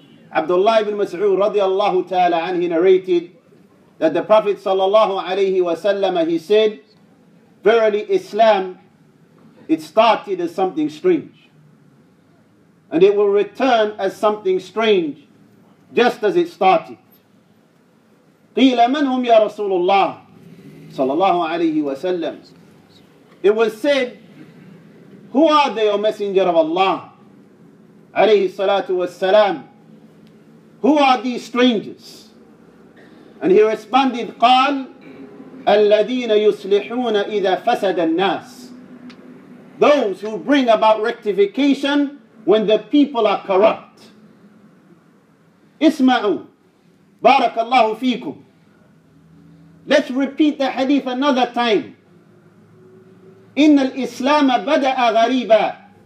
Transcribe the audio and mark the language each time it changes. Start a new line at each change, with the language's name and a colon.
English: Abdullah ibn Mas'ud radiallahu ta'ala anhu narrated that the Prophet sallallahu alayhi wa sallam, he said, verily Islam, it started as something strange. And it will return as something strange, just as it started.
Arabic: قِيلَ مَنْ هُمْ يَا رَسُولُ اللَّهِ sallallahu alayhi wa sallam.
English: It was said, who are they, O Messenger of Allah alayhi salatu wa salam? Who are these strangers? And he responded,
Arabic: قال الذين يصلحون إذا فسد الناس.
English: Those who bring about rectification when the people are corrupt.
Arabic: اسمعوا بارك الله فيكم.
English: Let's repeat the hadith another time.
Arabic: إن الإسلام بدأ غريبا.